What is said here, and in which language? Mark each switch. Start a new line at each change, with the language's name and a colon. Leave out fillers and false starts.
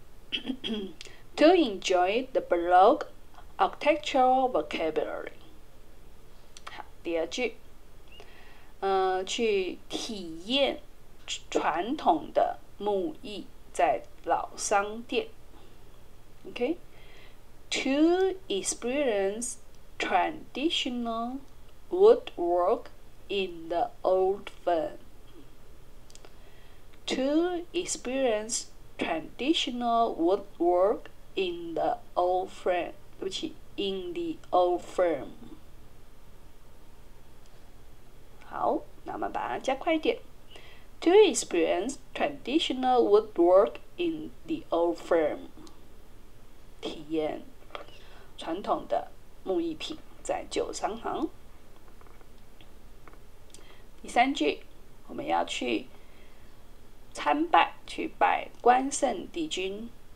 English: To enjoy the Baroque architectural vocabulary.
Chinese: 第二句，去体验传统的木艺在老商店。
English: OK, to experience traditional woodwork in the old firm. To experience traditional woodwork in the old firm.
Chinese: 对不起
English: ，in the old firm.
Chinese: 好，那我们把它加快一点。
English: To experience traditional woodwork in the old firm.
Chinese: 体验传统的木艺品在旧商行。第三句，我们要去参拜，去拜关圣帝君。